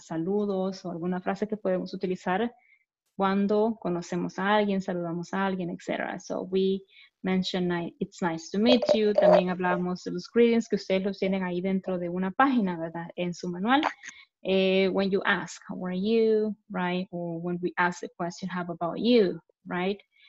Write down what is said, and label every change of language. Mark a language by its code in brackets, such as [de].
[es] Saludos o alguna frase que podemos utilizar cuando conocemos a alguien, saludamos a alguien, etc. [en] So we mentioned It's nice to meet you. [es] También hablamos de los greetings que ustedes los tienen ahí dentro de una página, ¿verdad? En su manual. [en] When you ask, how are you, right? Or when we ask the question, how about you, right?